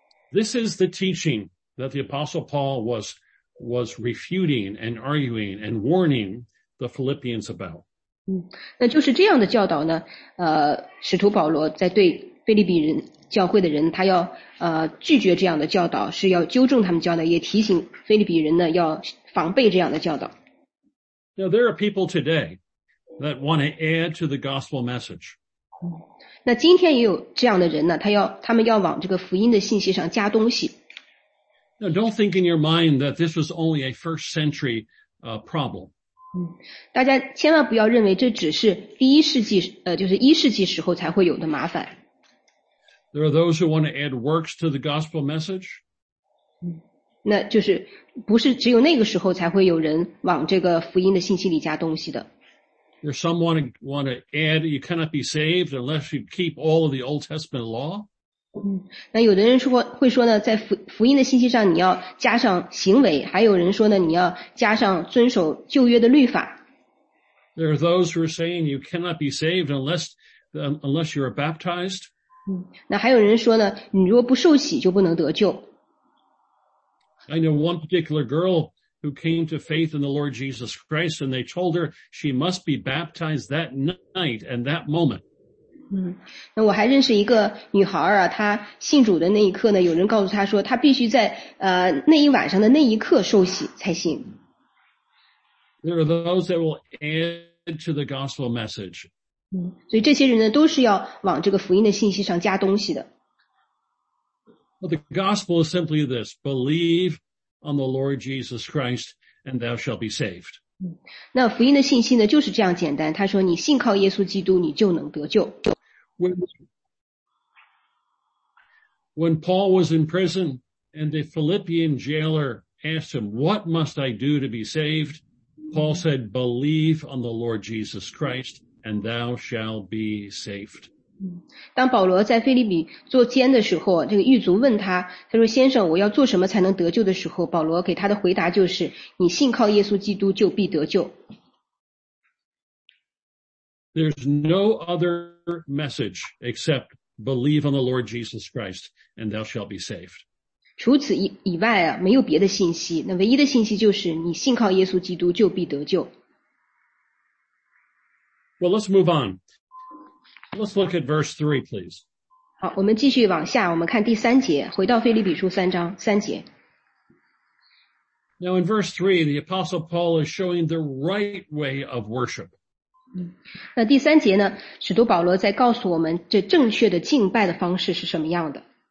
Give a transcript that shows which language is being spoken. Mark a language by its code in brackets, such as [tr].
[en] This is the teaching that the Apostle Paul was refuting and arguing and warning the Philippians about. [zh] 那就是这样的教导呢，使徒保罗在对腓立比人教会的人，他要拒绝这样的教导，是要纠正他们教导，也提醒腓立比人呢要防备这样的教导。 [en] Now there are people today. That want to add to the gospel message. [zh] 那今天也有这样的人呢，他们要往这个福音的信息上加东西。 [en] Now, don't think in your mind that this was only a first century problem. [zh] 大家千万不要认为这只是第一世纪就是一世纪时候才会有的麻烦。 [en] There are those who want to add works to the gospel message. [zh] 那就是不是只有那个时候才会有人往这个福音的信息里加东西的。 [en] There's some want to add you cannot be saved unless you keep all of the Old Testament law. [zh] 那有的人说会说呢在 福音的信息上你要加上行为还有人说呢你要加上遵守旧约的律法。 [en] There are those who are saying you cannot be saved unless you are baptized. [zh] 那还有人说呢你如果不受洗就不能得救。 [en] I know one particular girl who came to faith in the Lord Jesus Christ and they told her she must be baptized that night and that moment. [zh] 那我还认识一个女孩啊她信主的那一刻呢有人告诉她说她必须在那一晚上的那一刻受洗才行。 [en] There are those that will add to the gospel message. [zh] 所以这些人呢都是要往这个福音的信息上加东西的。 [en] Well, the gospel is simply this, believe on the Lord Jesus Christ and thou shalt be saved. [zh] 那福音的信息呢就是这样简单他说你信靠耶稣基督你就能得救。 [en] When Paul was in prison and the Philippian jailer asked him, what must I do to be saved? Paul said, believe on the Lord Jesus Christ and thou shalt be saved. [zh] 当保罗在腓立比坐监的时候这个狱卒问他他说先生我要做什么才能得救的时候保罗给他的回答就是你信靠耶稣基督就必得救。 [en] There's no other message except believe on the Lord Jesus Christ and thou shalt be saved. [zh] 除此以外啊没有别的信息那唯一的信息就是你信靠耶稣基督就必得救。 [en] Well, let's move on. Let's look at verse 3, please. [zh] 好我们继续往下我们看第三节回到腓立比书三章三节。 [en] Now in verse 3, the Apostle Paul is showing the right way of worship. [zh] 那第三节呢使徒保罗在告诉我们这正确的敬拜的方式是什么样的。